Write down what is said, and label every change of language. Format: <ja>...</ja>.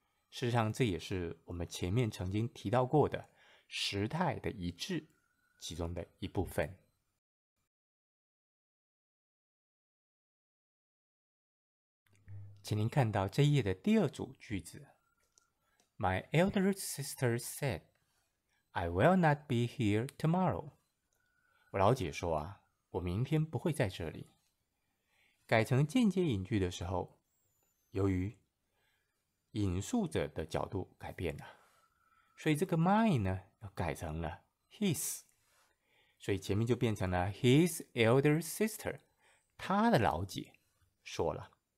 <zh>事实上这也是我们前面曾经提到过的时态的一致其中的一部分。请您看到这一页的第二组句子。</zh> <en>My elder sister saidI will not be here tomorrow.</en> <zh>我老姐说啊，我明天不会在这里。改成间接引句的时候，由于引述者的角度改变了，所以这个 my 呢要改成了 his， 所以前面就变成了</zh> <en>his elder sister，</en> <zh>他的老姐说了。</zh>